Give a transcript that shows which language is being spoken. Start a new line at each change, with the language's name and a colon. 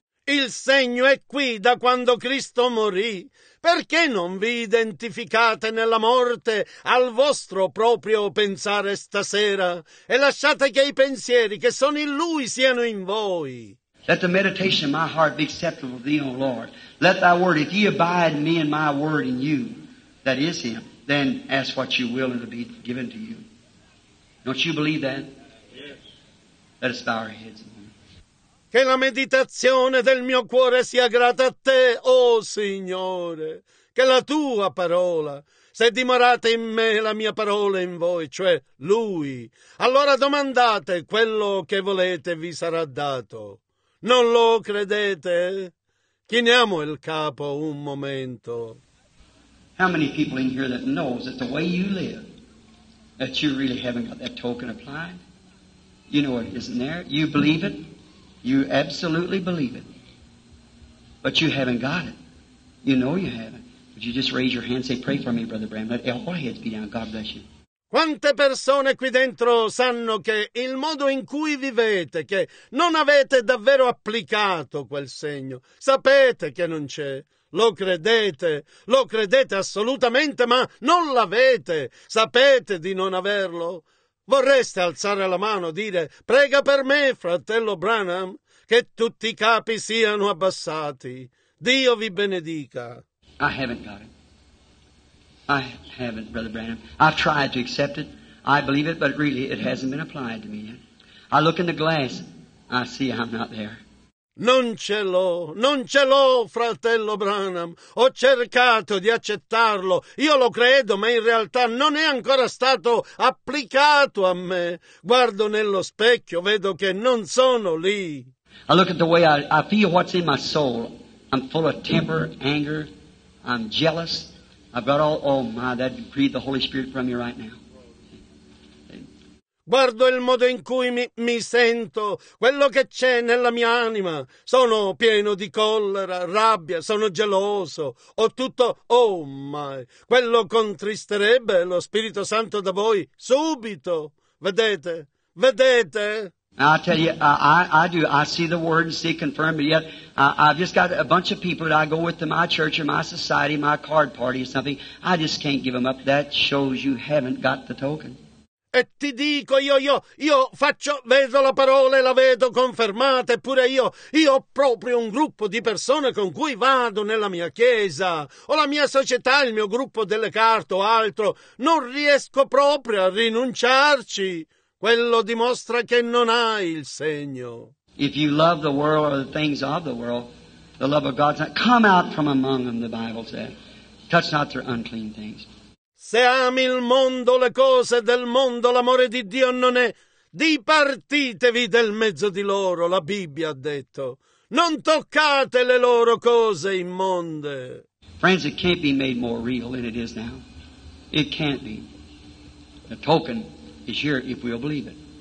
Italian: Il segno è qui da quando Cristo morì. Perché non vi identificate nella morte al vostro proprio pensare stasera e lasciate che i pensieri che sono in Lui siano in voi?
English: Let the meditation of my heart be acceptable to Thee, O Lord. Let Thy word, if ye abide in me and my word in you, that is Him, then ask what you will and it'll be given to you. Don't you believe that? Yes. Let us bow our heads.
Italian: Che la meditazione del mio cuore sia grata a Te, o Signore, che la Tua parola, se dimorate in me, la mia parola in voi, cioè Lui, allora domandate quello che volete, vi sarà dato. Non lo credete? Chiniamo il capo un momento.
English: How many people in here that knows that the way you live, that you really haven't got that token applied? You know it isn't there. You believe it? You absolutely believe it, but you haven't got it. You know you haven't. Would you just raise your hand and say, pray for me, Brother Bram. Let all heads be down. God bless you.
Italian: Quante persone qui dentro sanno che il modo in cui vivete, che non avete davvero applicato quel segno, sapete che non c'è. Lo credete assolutamente, ma non l'avete. Sapete di non averlo. Vorreste alzare la mano e dire, prega per me, fratello Branham, che tutti i capi siano abbassati. Dio vi benedica.
English: I haven't got it. I haven't, Brother Branham. I've tried to accept it. I believe it, but really it hasn't been applied to me yet. I look in the glass. I see I'm not there.
Italian: Non ce l'ho, non ce l'ho, fratello Branham. Ho cercato di accettarlo. Io lo credo, ma in realtà non è ancora stato applicato a me. Guardo nello specchio, vedo che non sono lì.
English: I look at the way I feel what's in my soul. I'm full of temper, anger, I'm jealous. I've got all, oh my, that breathe the Holy Spirit from me right now.
Italian: Guardo il modo in cui mi sento, quello che c'è nella mia anima. Sono pieno di collera, rabbia, sono geloso. Ho tutto,
English: oh my,
Italian: quello contristerebbe lo Spirito Santo da voi subito. Vedete? Vedete?
English: I tell you, I do. I see the Word and see it confirmed. But yet, I've just got a bunch of people that I go with to my church or my society, my card party or something. I just can't give them up. That shows you haven't got the token.
Italian: E ti dico, io faccio, vedo la parola e la vedo confermata, eppure io ho proprio un gruppo di persone con cui vado nella mia chiesa, ho la mia società, il mio gruppo delle carte o altro, non riesco proprio a rinunciarci. Quello dimostra che non hai il segno.
English: If you love the world or the things of the world, the love of God's not, come out from among them, the Bible said. Touch not their unclean things.
Italian: Se ami il mondo, le cose del mondo, l'amore di Dio non è, dipartitevi del mezzo di loro, la Bibbia ha detto. Non toccate le loro cose immonde.
English: Friends, it can't be made more real than it is now. It can't be. The token is here if we'll believe it.